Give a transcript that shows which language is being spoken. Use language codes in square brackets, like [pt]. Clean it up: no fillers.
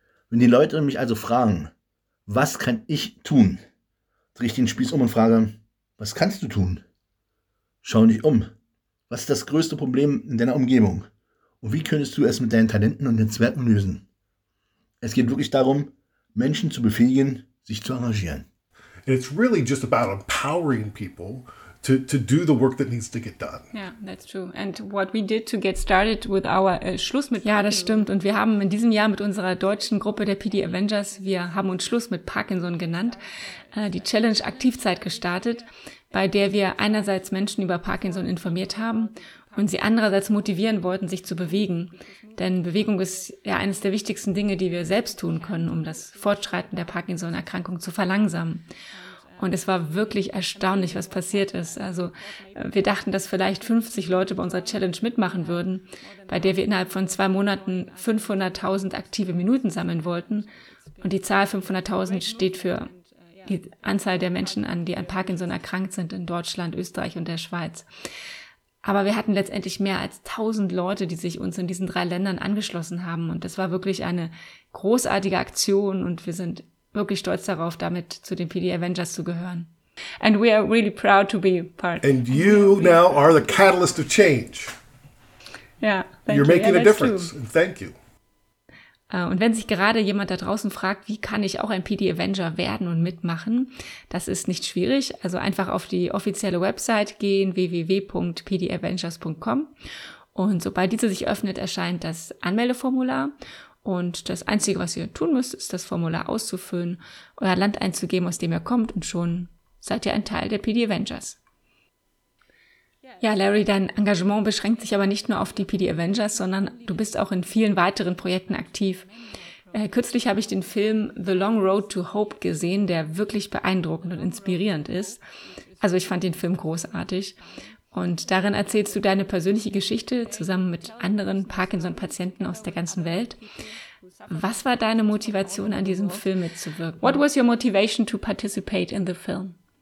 [de] Wenn die Leute mich also fragen, was kann ich tun? Dreh ich den Spieß um und frage, was kannst du tun? Schau dich um. Was ist das größte Problem in deiner Umgebung? Und wie könntest du es mit deinen Talenten und Netzwerken lösen? Es geht wirklich darum, Menschen zu befähigen, sich zu engagieren. [en] It's really just about empowering people to do the work that needs to get done. Yeah, that's true. And what we did to get started with our Schluss mit Parkinson. [de] Ja, das stimmt. Und wir haben in diesem Jahr mit unserer deutschen Gruppe der PD Avengers, wir haben uns Schluss mit Parkinson genannt, die Challenge Aktivzeit gestartet, bei der wir einerseits Menschen über Parkinson informiert haben und sie andererseits motivieren wollten, sich zu bewegen. Denn Bewegung ist ja eines der wichtigsten Dinge, die wir selbst tun können, um das Fortschreiten der Parkinson-Erkrankung zu verlangsamen. Und es war wirklich erstaunlich, was passiert ist. Also wir dachten, dass vielleicht 50 Leute bei unserer Challenge mitmachen würden, bei der wir innerhalb von 2 Monaten 500.000 aktive Minuten sammeln wollten. Und die Zahl 500.000 steht für die Anzahl der Menschen an, die an Parkinson erkrankt sind in Deutschland, Österreich und der Schweiz. Aber wir hatten letztendlich mehr als 1.000 Leute, die sich uns in diesen 3 Ländern angeschlossen haben. Und das war wirklich eine großartige Aktion und wir sind wirklich stolz darauf, damit zu den PD Avengers zu gehören. [en] And we are really proud to be part. And you now are the catalyst of change. Yeah, thank you're making a difference. And thank you. [de] Und wenn sich gerade jemand da draußen fragt, wie kann ich auch ein PD Avenger werden und mitmachen, das ist nicht schwierig. Also einfach auf die offizielle Website gehen, www.pdavengers.com. Und sobald diese sich öffnet, erscheint das Anmeldeformular. Und das Einzige, was ihr tun müsst, ist das Formular auszufüllen, euer Land einzugeben, aus dem ihr kommt, und schon seid ihr ein Teil der PD Avengers. Ja, Larry, dein Engagement beschränkt sich aber nicht nur auf die PD Avengers, sondern du bist auch in vielen weiteren Projekten aktiv. Kürzlich habe ich den Film The Long Road to Hope gesehen, der wirklich beeindruckend und inspirierend ist. Also ich fand den Film großartig. Und darin erzählst du deine persönliche Geschichte zusammen mit anderen Parkinson-Patienten aus der ganzen Welt. Was war deine Motivation, an diesem Film mitzuwirken? [en] What was your motivation to participate in the film?